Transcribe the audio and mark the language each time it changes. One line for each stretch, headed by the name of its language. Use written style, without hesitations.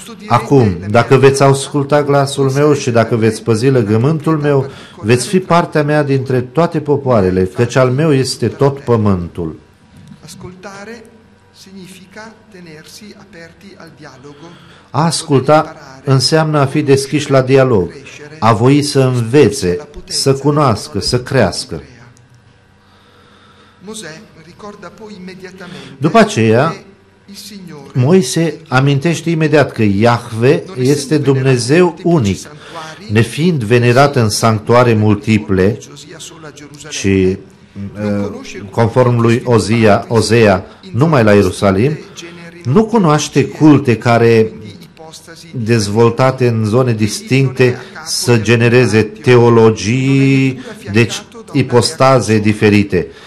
Romanian: Acum, dacă veți asculta glasul meu și dacă veți păzi legământul meu, veți fi partea mea dintre toate popoarele, căci al meu este tot pământul.
Italian: Ascultare significa tenersi aperti al dialogo.
Romanian: A asculta înseamnă a fi deschiși la dialog, a voi să învețe, să cunoască, să crească.
Italian: Mosè ricorda poi immediatamente.
Romanian: După aceea, Moise amintește imediat că Iahve este Dumnezeu unic, nefiind venerat în sanctuare multiple, ci conform lui Ozea, numai la Ierusalim, nu cunoaște culte care, dezvoltate în zone distincte, să genereze teologii, deci ipostaze diferite.